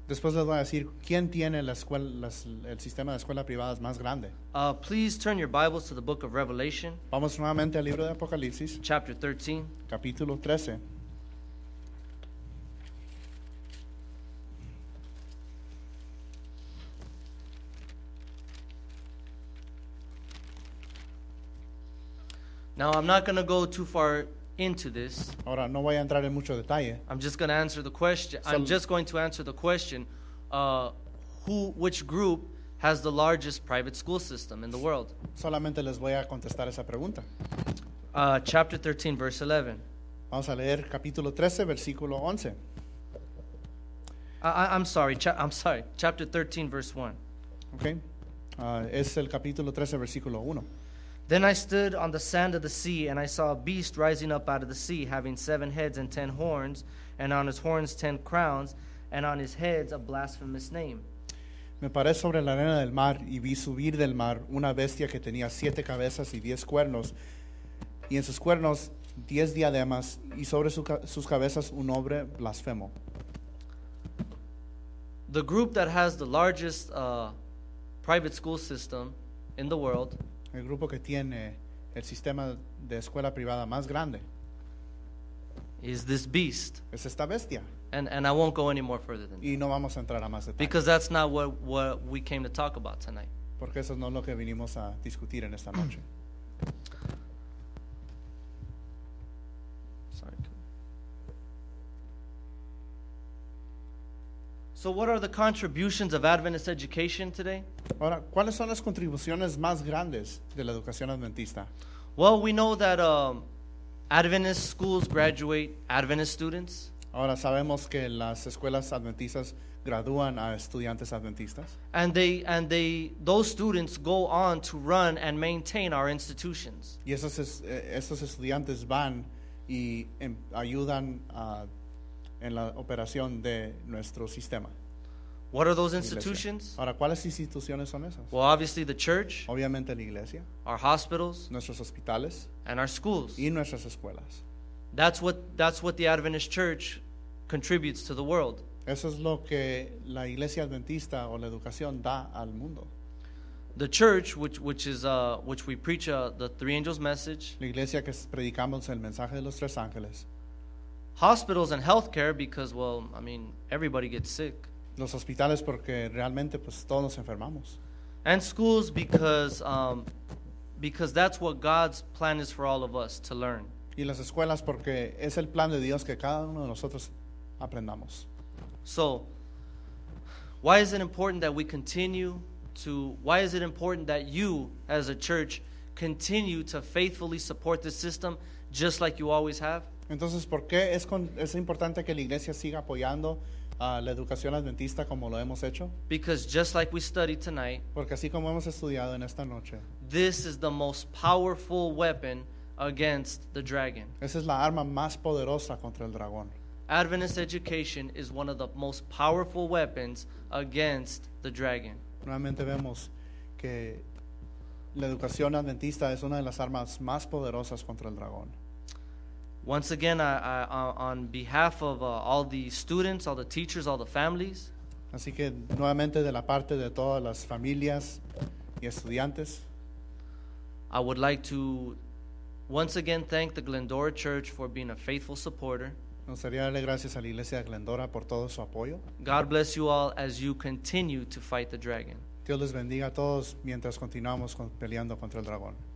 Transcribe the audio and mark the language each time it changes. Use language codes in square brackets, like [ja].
[es] Después les voy a decir quién tiene la escuela, el sistema de escuelas privadas más grande. [en] Please turn your Bibles to the book of Revelation. [es] Vamos nuevamente al libro de Apocalipsis. [en] Chapter 13. [es] Capítulo 13. [en] Now I'm not going to go too far into this. [es] Ahora, no voy a entrar en mucho detalle. [en] I'm just going to answer the question. I'm just going to answer the question, which group has the largest private school system in the world? [es] Solamente les voy a contestar esa pregunta. [en] Chapter 13, verse 11. [es] Vamos a leer capítulo 13, versículo 11. [en] I'm sorry. Chapter 13, verse 1. [es] Okay. Es el capítulo 13, versículo 1. [en] Then I stood on the sand of the sea, and I saw a beast rising up out of the sea, having seven heads and ten horns, and on his horns ten crowns, and on his heads a blasphemous name. [es] Me paré sobre la arena del mar, y vi subir del mar una bestia que tenía siete cabezas y diez cuernos, y en sus cuernos diez diademas, y sobre sus cabezas un nombre blasfemo. [en] The group that has the largest private school system in the world, [es] el grupo que tiene el sistema de escuela privada más grande, [en] is this beast. [es] Es esta bestia. [en] And I won't go any more further than [es] y no vamos a entrar a más detalles. [en] Because that's not what we came to talk about tonight. [es] Porque eso no es lo que vinimos a discutir en esta noche. [en] Sorry. So what are the contributions of Adventist education today? [es] Ahora, ¿cuáles son las contribuciones más grandes de la educación adventista? [en] Well, we know that Adventist schools graduate Adventist students. [es] Ahora, sabemos que las escuelas adventistas gradúan a estudiantes adventistas. [en] And those students go on to run and maintain our institutions. [es] Y esos estudiantes van y ayudan a en la operación de nuestro sistema. [en] What are those institutions? [es] Ahora, ¿cuáles instituciones son esas? [en] Well, obviously the church. [es] Obviamente la iglesia. [en] Our hospitals. [es] Nuestros hospitales. [en] And our schools. [es] Y nuestras escuelas. [en] That's what the Adventist Church contributes to the world. [es] Eso es lo que la iglesia adventista o la educación da al mundo. [en] The church, which we preach the three angels message. [es] La iglesia que predicamos el mensaje de los tres ángeles. [en] Hospitals and healthcare, because, well, I mean, everybody gets sick. [es] Los hospitales porque realmente pues todos nos enfermamos. [en] And schools because that's what God's plan is for all of us to learn. [es] Y las escuelas porque es el plan de Dios que cada uno de nosotros aprendamos. [en] So, why is it important that we continue to, why is it important that you as a church continue to faithfully support this system just like you always have? [es] Entonces, ¿por qué es importante que la iglesia siga apoyando a la educación adventista como lo hemos hecho? [en] Because just like we studied tonight, [es] porque así como hemos estudiado en esta noche, [en] this is the most powerful weapon against the dragon. [es] Esa es la arma más poderosa contra el dragón. [en] Adventist education is one of the most powerful weapons against the dragon. [es] Nuevamente vemos que la educación adventista es una de las armas más poderosas contra el dragón. [en] Once again, I on behalf of all the students, all the teachers, all the families. [es] Así que nuevamente de la parte de todas las familias y estudiantes. [en] I would like to once again thank the Glendora Church for being a faithful supporter. [es] Nos gustaría darle gracias a la Iglesia de Glendora por todo su apoyo. [en] God bless you all as you continue to fight the dragon. [es] Dios les bendiga a todos mientras continuamos peleando contra el dragón.